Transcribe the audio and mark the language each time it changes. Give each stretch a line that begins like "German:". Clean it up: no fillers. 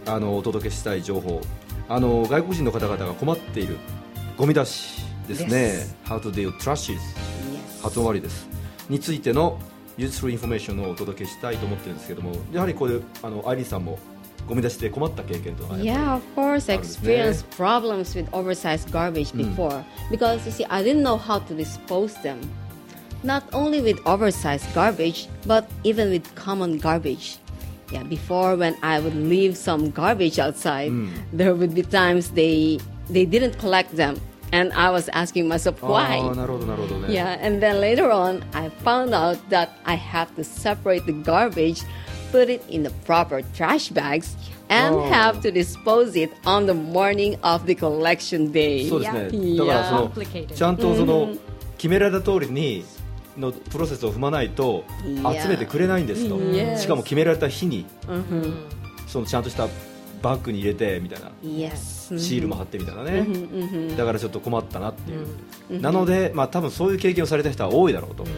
Japanese: あのお届けしたい情報。あの外国人の方々が困っているゴミ出しですね、
English: yes. How to deal trashes、 yes.
Japanese: 発音悪いですについてのユースフルインフォメーションをお届けしたいと思ってるんですけども、やはりこれあのアイリーさんもゴミ出しで困った経験とか
English: やっぱり、yeah, of course I experienced problems with oversized garbage before、うん、because you see I didn't know how to dispose them not only with oversized garbage but even with common garbageYeah, before when I would leave some garbage outside,、うん、there would be times they didn't collect them, and I was asking myself why.
Japanese: ああ、なるほどなるほどね。
English: Yeah, and then later on, I found out that I have to separate the garbage, put it in the proper trash bags, and have to dispose it on the morning of the collection day.
Japanese: そうですね。Yeah. だからその、yeah. ちゃんとその決められた通りに。のプロセスを踏まないと集めてくれないんですと、
English: yeah.
Japanese: しかも決められた日にそのちゃんとしたバッグに入れてみたいな、
English: yes.
Japanese: シールも貼ってみたいなね、だからちょっと困ったなっていう、なので、まあ、多分そういう経験をされた人は多いだろうと、